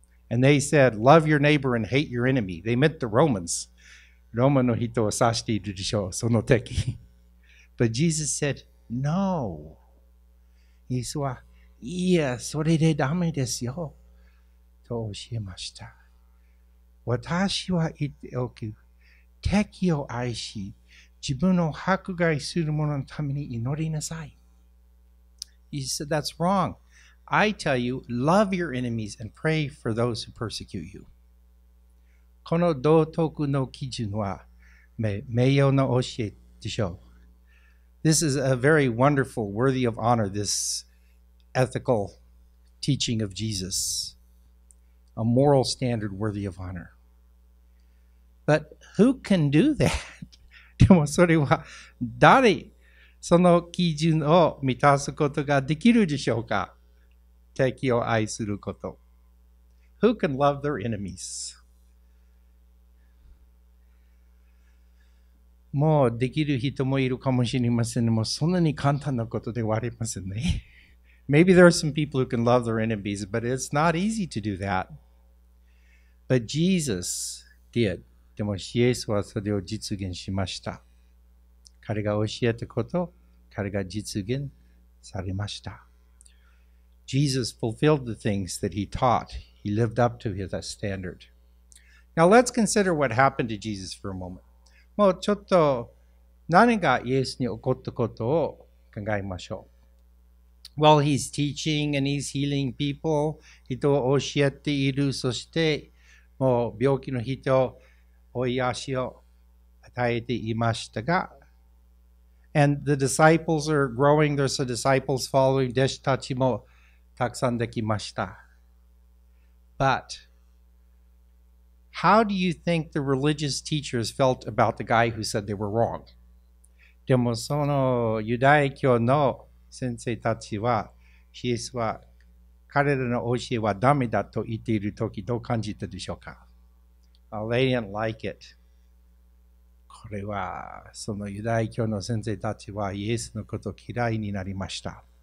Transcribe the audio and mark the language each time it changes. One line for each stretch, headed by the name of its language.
English: And they said, love your neighbor and hate your enemy. They meant the Romans.
Japanese: ローマの人を指しているでしょう、その敵。
English: But Jesus said, no.
Japanese: イエスは、いや、それでダメですよ。と教えました。私は言っておく、敵を愛し、自分を迫害する者のために祈りなさい。
English: He said, that's wrong. I tell you, love your enemies and pray for those who persecute you.
Japanese: この道徳の基準は名誉の教えでしょう。
English: This is a very wonderful, worthy of honor, this ethical teaching of Jesus. A moral standard worthy of honor. But who can do that?
Japanese: でもそれは誰その基準を満たすことができるでしょうか？敵を愛すること。
English: Who can love their enemies?
Japanese: もうできる人もいるかもしれませんが、もうそんなに簡単なことではありませんね。
English: Maybe there are some people who can love their enemies, but it's not easy to do that. But Jesus did.
Japanese: でもイエスはそれを実現しました。彼が教えたこと、彼が実現されました。
English: Jesus fulfilled the things that he taught. He lived up to his standard. Now let's consider what happened to Jesus for a moment.
Japanese: もうちょっと何がイエスに起こったことを考えましょう。
English: Well, he's teaching and he's healing people.
Japanese: 人を教えている、そしてもう病気の人を癒しを与えていましたが、
English: And the disciples are growing. There's a disciples following.
Japanese: 弟子たちもたくさんできました。
English: But how do you think the religious teachers felt about the guy who said they were wrong?
Japanese: でもそのユダヤ教の先生たちは、イエスは彼らの教えはダメだと言っているときどう感じたでしょうか?
English: Well, they didn't like it.
Japanese: これはそのユダヤ教の先生たちはイエスのことを嫌いになりました。